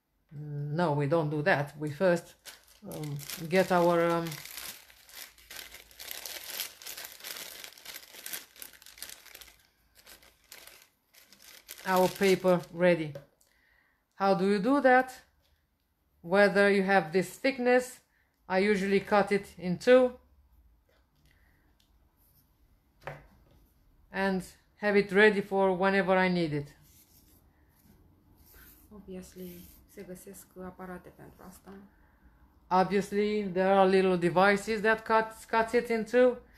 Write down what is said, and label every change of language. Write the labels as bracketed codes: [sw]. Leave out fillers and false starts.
[en] No, we don't do that. We first get our paper ready. How do you do that? Whether you have this thickness, I usually cut it in two and have it ready for whenever I need it. Obviously, [ro] se găsesc aparate pentru asta. [en] Obviously, there are little devices that cuts it in two.